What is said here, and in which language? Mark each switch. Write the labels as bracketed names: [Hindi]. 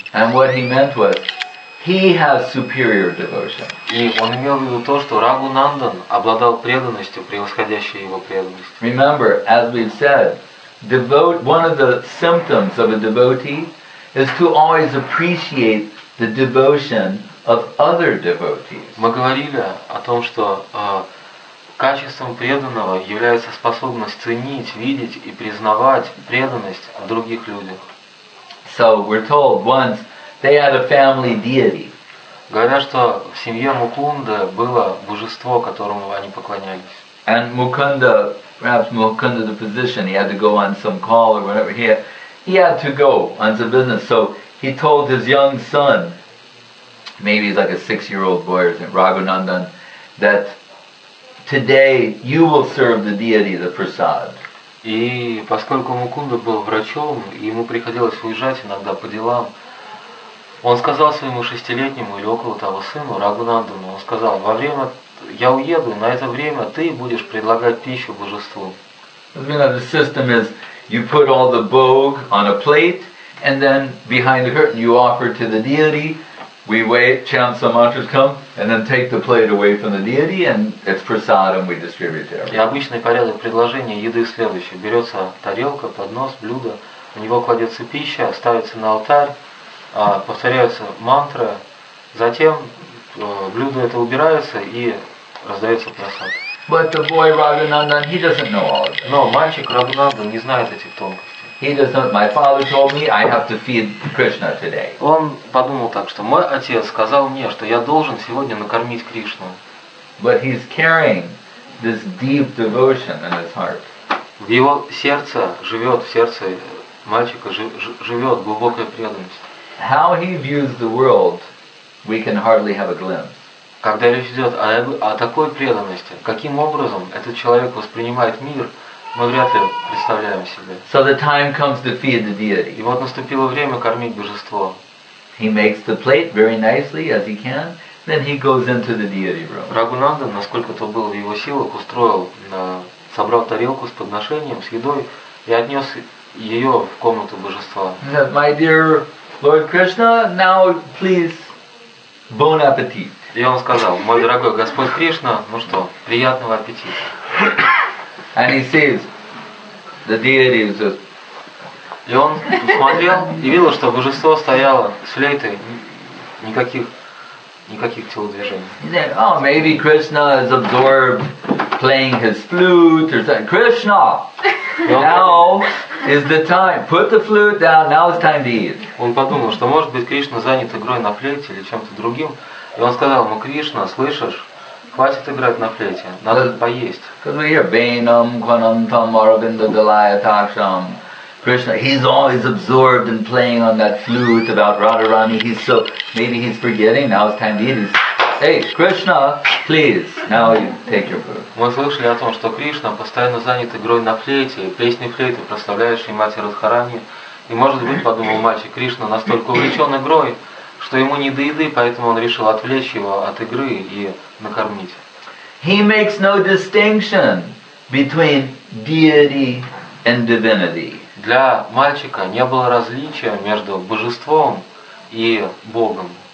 [English] And what he meant was, he has superior devotion. [Russian] И он имел в виду то, что Рагунандан обладал преданностью, превосходящей его преданность. [English] Remember, as we've said, one of the symptoms of a devotee is to always appreciate the devotion of other devotees. [Russian] Мы говорили о том, что качеством преданного является способность ценить, видеть и признавать преданность в других людях. [English] So we're told once they had a family deity. [Russian] Говорят, что в семье Мукунда было божество, которому они поклонялись. [English] And Mukunda, perhaps Mukunda the physician, he had to go on some call or whatever. He had to go on some business. So he told his young son, maybe he's like a 6-year-old boy or something, Raghunandan, that today you will serve the deity, the prasad. [Russian] И поскольку Мукунда был врачом, ему приходилось уезжать иногда по делам, он сказал своему 6-летнему или около того сыну, Рагунандану, он сказал, во время, я уеду, на это время ты будешь предлагать пищу божеству. [English] The system is, you put all the bhog on a plate, and then behind the curtain you offer to the deity. We wait, chant some mantras, come, and then take the plate away from the deity, and it's prasadam we distribute there. [Russian] И обычный порядок предложения еды следующий: берется тарелка, поднос, блюдо, в него кладется пища, ставится на алтарь, повторяется мантра, затем блюдо это убирается и раздается прасад. [English] But the boy Raghunandan, he doesn't know all of this. [Russian] Но мальчик Раганандан не знает этих тонкостей. [English] He does not. My father told me I have to feed Krishna today. [Russian] Он подумал так, что мой отец сказал мне, что я должен сегодня накормить Кришну. [English] But he's carrying this deep devotion in his heart. [Russian] В его сердце живет, в сердце мальчика живет глубокая преданность. [English] How he views the world, we can hardly have a glimpse. [Russian] Когда речь идет о такой преданности, каким образом этот человек воспринимает мир, мы вряд ли представляем себе. [English] So the time comes to feed the deity. [Russian] И вот наступило время кормить божество. [English] He makes the plate very nicely as he can, then he goes into the deity room. [Russian] Рагунанда, насколько то было в его силах, устроил, собрал тарелку с подношением, с едой и отнес ее в комнату божества. [English] My dear Lord Krishna, now please, bon appetit. [Russian] И он сказал: мой дорогой Господь Кришна, ну что, приятного аппетита. [English] And he sees the deity is just. [Russian] И он смотрел и видел, что божество стояло с флейтой, никаких телодвижений. [English] Yeah, oh, maybe Krishna is absorbed playing his flute or something. Krishna, now is the time. Put the flute down. Now is time to eat. [Russian] Он подумал, что может быть Кришна занят игрой на флейте или чем-то другим, и он сказал: ну, Кришна, слышишь? Хватит играть на флейте, надо поесть. [English] Because we hear [Sanskrit] Bainam, Kwanantam, Aravinda, Dalaya, Taksham. [English] Krishna, he's always absorbed in playing on that flute about Radharani. He's so, maybe he's forgetting, now it's time to eat. He's, hey, Krishna, please, now you take your food. [Russian] Мы слышали о том, что Кришна постоянно занят игрой на флейте, песней флейты, прославляющей мать Радхарани. И может быть, подумал мальчик, Кришна настолько увлечен игрой, что ему не до еды, поэтому он решил отвлечь его от игры и накормить. [English] He makes no distinction between deity and divinity. [Russian] Для мальчика не было различия между божеством и Богом.